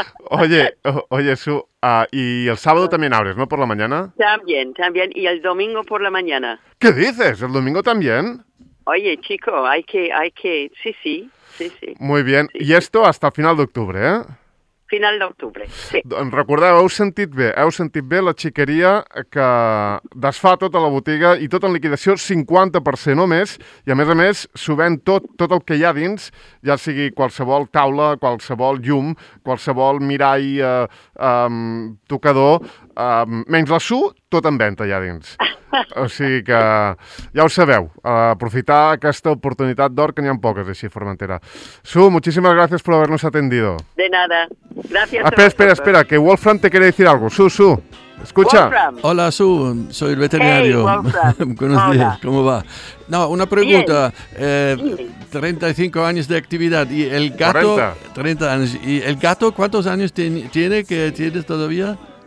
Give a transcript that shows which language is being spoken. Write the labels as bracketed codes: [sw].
[es] oye, Su, ¿y el sábado también abres, no, por la mañana? También. ¿Y el domingo por la mañana? ¿Qué dices? ¿El domingo también? Oye, chico, hay que... Sí. Muy bien. Sí, y esto hasta final de octubre, ¿eh? [ca] Final d'octubre, sí. Recordeu, heu sentit bé la xiqueria que desfà tota la botiga i tot en liquidació, 50% només, i a més, subent tot el que hi ha dins, ja sigui qualsevol taula, qualsevol llum, qualsevol mirall, tocador, menys la Su, tot en venda allà dins. O sigui que ja ho sabeu, aprofitar aquesta oportunitat d'or, que n'hi ha poques així a Formentera. Su, moltíssimes gràcies per haver-nos [es] atendido. De nada. Gracias. Espera, que Wolfram te quiere decir algo. Su, escucha. Wolfram. Hola, Su, soy el veterinario. Hey, buenos Hola. Días, ¿cómo va? No, una pregunta. Sí. 35 años de actividad y el gato... 40. 30 años. ¿Y el gato cuántos años tiene que tienes todavía?